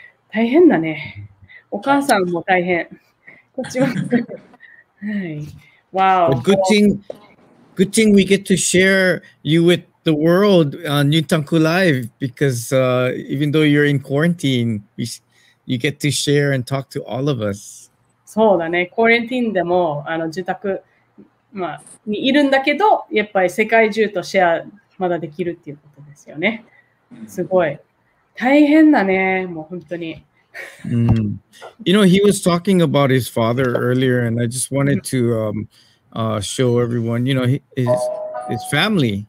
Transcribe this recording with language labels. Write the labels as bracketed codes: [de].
[ja] 大変だね。お母さんも大変。こっちも。はい。 [en] Wow. Good thing we get to share you with the world on Yuntaku Live, because even though you're in quarantine, you get to share and talk to all of us. [ja] そうだね。コレンティンでも、自宅、にいるんだけど、やっぱり世界中とシェアまだできるっていうことですよね。すごい。大変だね、もう本当に。 [en] You know, he was talking about his father earlier, and I just wanted to show everyone, you know, his family.